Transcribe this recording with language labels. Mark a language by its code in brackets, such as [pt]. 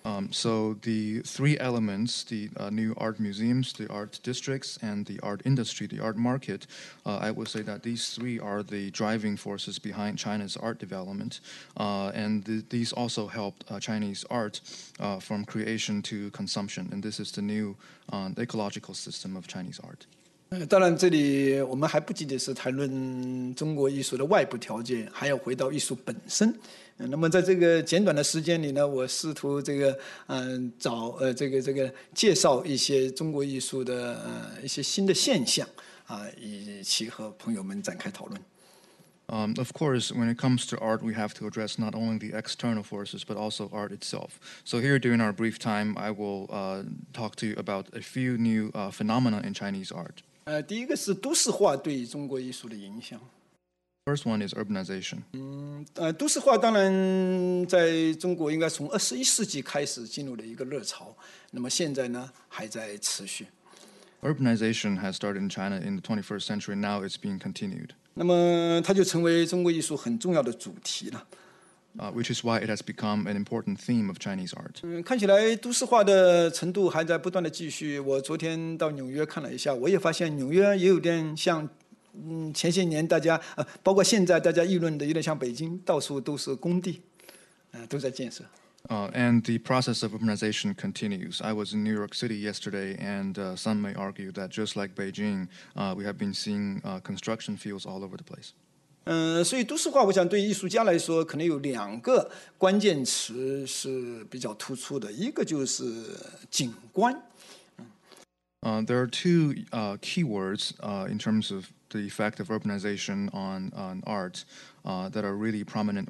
[en] So the three elements, the new art museums, the art districts, and the art industry, the art market, I would say that these three are the driving forces behind China's art development. And these also helped Chinese art from creation to consumption. And this is the new ecological system of Chinese art. [zh] 当然这里我们还不仅仅是谈论中国艺术的外部条件，还要回到艺术本身。那么在这个简短的时间里呢，我试图介绍一些中国艺术的一些新的现象以及和朋友们展开讨论。 [en] Of course, when it comes to art, we have to address not only the external forces, but also art itself. So here during our brief time, I will talk to you about a few new phenomena in Chinese art. [zh] 第一个是都市化对中国艺术的影响。 [en] First one is urbanization. [zh] 都市化当然在中国应该从二十一世纪开始进入了一个热潮，那么现在呢还在持续。 [en] Urbanization has started in China in the 21st century. Now it's being continued. [zh] 那么它就成为中国艺术很重要的主题了。 [en] Which is why it has become an important theme of Chinese art. [zh] 看起来都市化的程度还在不断的继续。我昨天到纽约看了一下，我也发现纽约也有点像，前些年大家包括现在大家议论的有点像北京，到处都是工地，都在建设。 [en] And the process of urbanization continues. I was in New York City yesterday, and some may argue that just like Beijing, we have been seeing construction fields all over the place. [zh] 所以都市化我想对艺术家来说可能有两个关键词是比较突出的，一个就是景观。 [en] There are two keywords in terms of the effect of urbanization on art that are really prominent.